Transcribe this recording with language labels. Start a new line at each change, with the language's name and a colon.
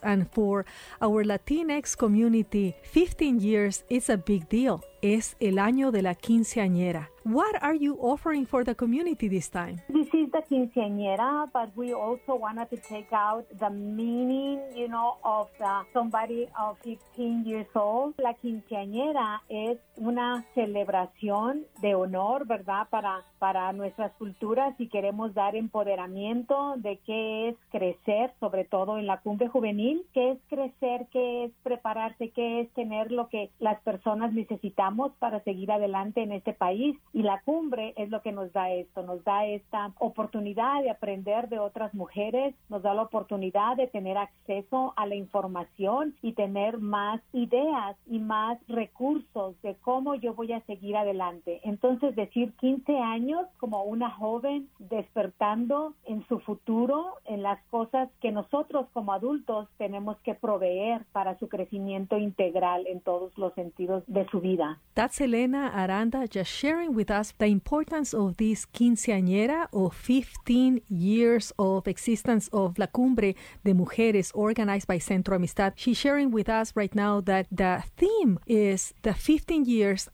English: And for our Latinx community, 15 years is a big deal.
Spanish: Es el año de la quinceañera.
English: What are you offering for the community this time? This is the quinceañera, but we also wanted to take out the meaning, you know, of the somebody of 15 years old.
Spanish: La quinceañera es una celebración de honor, ¿verdad?, para nuestras culturas, y queremos dar empoderamiento de qué es crecer, sobre todo en la cumbre juvenil. ¿Qué es crecer? ¿Qué es prepararse? ¿Qué es tener lo que las personas necesitamos para seguir adelante en este país? Y la cumbre es lo que nos da esto, nos da esta oportunidad de aprender de otras mujeres, nos da la oportunidad de tener acceso a la información y tener más ideas y más recursos de cómo yo voy a seguir adelante. Entonces, decir 15 años como una joven despertando en su futuro, en las cosas que nosotros como adultos tenemos que proveer para su crecimiento integral en todos los sentidos de su vida.
English: That's Elena Aranda just sharing with us the importance of this quinceañera, or 15 years of existence of La Cumbre de Mujeres organized by Centro Amistad. She's sharing with us right now that the theme is the 15 years.